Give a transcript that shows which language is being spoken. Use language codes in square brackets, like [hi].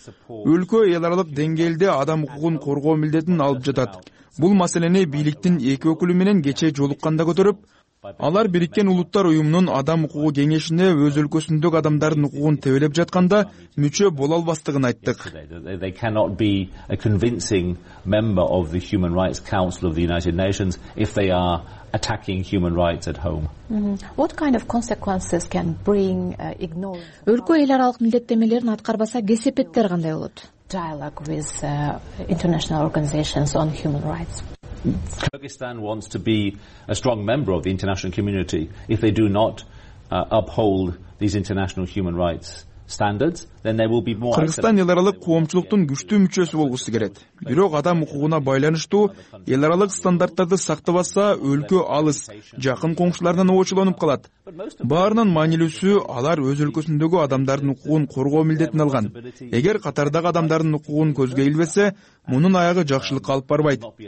[ky] Өлкө эл аралык деңгээлде адам укугун коргоо милдетин алып жатат. Бул маселени бийликтин эки өкүлү менен кечээ жолукканда көтөрүп, алар Бириккен Улуттар Уюмунун адам укугу кеңешине өз өлкөсүндөгү адамдардын укугун тебелеп жатканда мүчө боло албастыгын айттык. [en] They cannot be a convincing member of the Human Rights Council of the United Nations if they are attacking human rights at home. What kind of consequences can bring ignoring? [ky] Өлкө эл аралык милдеттенмелерин аткарбаса кесепеттер кандай болот? [en] Dialogue with international organizations on human rights. Kyrgyzstan wants to be a strong member of the international community if they do not uphold these international human rights standards, then there will be more. [ky] Кыргызстан эл аралык коомчулуктун күчтүү мүчөсү болгусу келет. Бирок адам укугуна байланыштуу эл аралык стандарттарды сактабаса, өлкө алыс, жакын коңшуларынан оочолонуп калат. Баарынан маанилүүсү алар өз өлкөсүндөгү адамдардын укугун коргоо милдетин алган. Эгер катардагы адамдардын укугун көзгө илбесе, мунун аягы жакшылыкка алып барбайт.